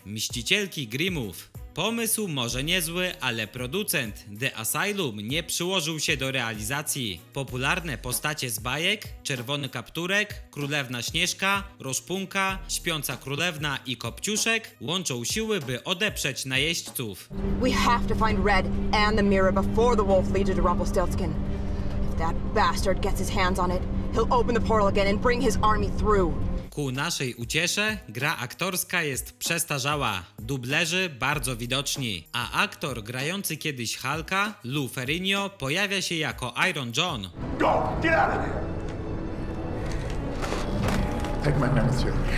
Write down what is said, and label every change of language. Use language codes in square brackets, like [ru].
[pl] Mścicielki Grimmów. Pomysł może niezły, ale producent The Asylum nie przyłożył się do realizacji. Popularne postacie z bajek, Czerwony Kapturek, Królewna Śnieżka, Rozpunka, Śpiąca Królewna i Kopciuszek łączą siły, by odeprzeć najeźdźców. [en] We have to find Red and the Mirror before the Wolf Legion to Rumpelstiltskin. If that bastard gets his hands on it, he'll open the portal again and bring his army through. [pl] Ku naszej uciesze, gra aktorska jest przestarzała, dublerzy bardzo widoczni, a aktor grający kiedyś Hulka, Lou Ferrigno, pojawia się jako Iron John. [en] Go! Get out of there! Take my man with you.